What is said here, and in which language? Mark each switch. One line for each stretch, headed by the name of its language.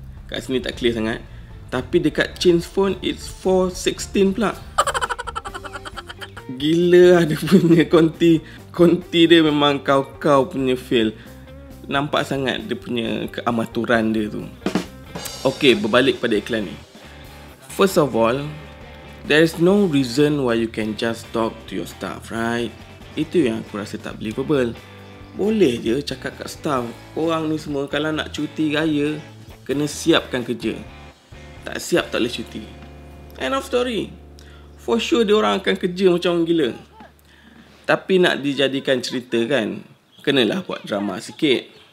Malay: Kat sini tak clear sangat, tapi dekat Chin's phone
English: it's 4:16
Malay: pula. Gila lah dia punya konti. Konti dia memang kau-kau punya feel. Nampak sangat dia punya keamaturan dia tu. Okay, berbalik pada iklan ni.
English: First of all, there is no reason why you can just talk to your staff, right?
Malay: Itu yang aku rasa tak believable. Boleh je cakap kat staff, korang ni semua kalau nak cuti raya, kena siapkan kerja. Tak siap tak boleh cuti.
English: End of story. For sure
Malay: dia orang akan kerja macam gila. Tapi nak dijadikan cerita kan, kenalah buat drama sikit.